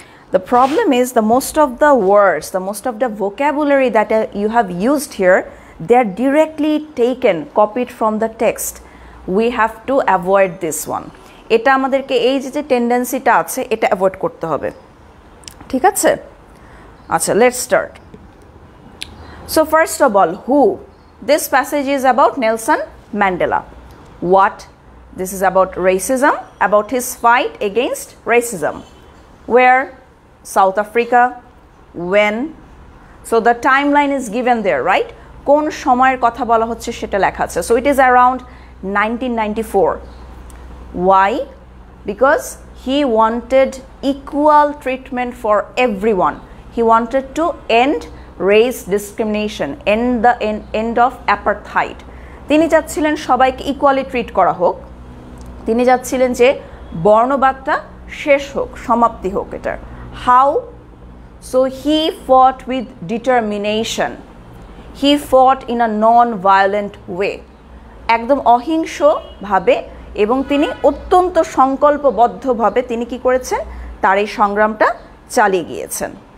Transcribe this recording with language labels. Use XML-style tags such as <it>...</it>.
<en>The problem is the most of the words, the most of the vocabulary that you have used here, they are directly taken, copied from the text. We have to avoid this one.</en> <bn>এটা আমাদেরকে, এই যে টেন্ডেন্সিটা আছে এটা avoid করতে হবে, ঠিক আছে? আচ্ছা,</bn> <en>Let's start. So first of all, who, this passage is about Nelson Mandela. What, this is about racism, about his fight against racism. Where, South Africa. When, so the time line is given there, right?</en> <bn>কোন সময়ের কথা বলা হচ্ছে সেটা লেখা আছে,</bn> <en>So it is around 1994। Why? Because he wanted equal treatment for everyone. He wanted to end race discrimination, end of apartheid.</en> <bn>তিনি চাচ্ছিলেন সবাইকে ইকুয়ালি ট্রিট করা হোক, তিনি চাচ্ছিলেন যে বর্ণবাদটা শেষ হোক, সমাপ্তি হোক এটার। হাউ?</bn> <en>so he fought with determination, he fought in a non violent way,</en> <bn>একদম অহিংসভাবে, এবং তিনি অত্যন্ত সংকল্পবদ্ধভাবে তিনি কী করেছেন, তার এই সংগ্রামটা চালিয়ে গিয়েছেন।</bn>